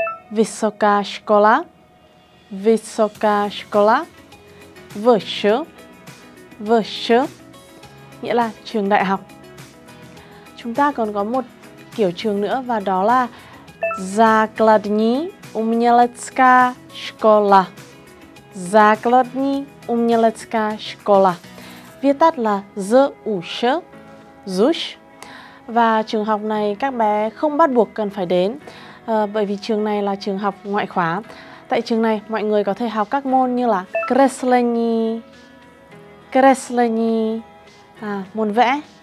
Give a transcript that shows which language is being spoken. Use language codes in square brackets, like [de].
[cs] Vysoká škola, vysoká škola, [vi] VŠ, VŠ, nghĩa là trường đại học. Chúng ta còn có một kiểu trường nữa và đó là Základní umělecká škola. [cs] Základní umělecká škola. [vi] Viết tắt là ZUŠ, ZUŠ. Và trường học này các bé không bắt buộc cần phải đến bởi vì trường này là trường học ngoại khóa. Tại trường này mọi người có thể học các môn như là Kreslení, kreslení, môn vẽ.